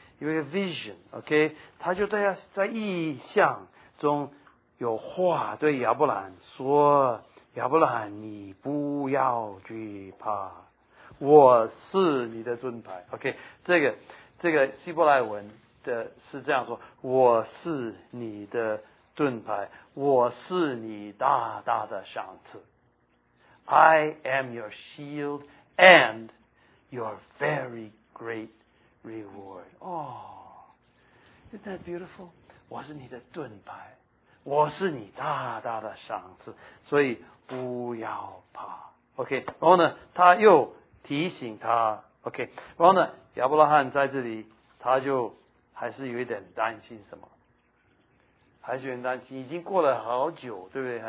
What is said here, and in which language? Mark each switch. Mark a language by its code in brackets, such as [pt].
[zh] 有一个 vision， OK， 他就对他在意象中有话对亚伯兰说：“亚伯兰，你不要惧怕，我是你的盾牌。” OK， 这个希伯来文的是这样说：“我是你的盾牌，我是你大大的赏赐。” [en] I am your shield and your very great reward. Oh, isn't that beautiful? [zh] 我是你的盾牌，我是你大大的赏赐，所以不要怕。 OK， 然后呢，他又提醒他。OK， 然后呢，亚伯拉罕在这里，他就还是有一点担心什么，还是有点担心，已经过了好久，对不对？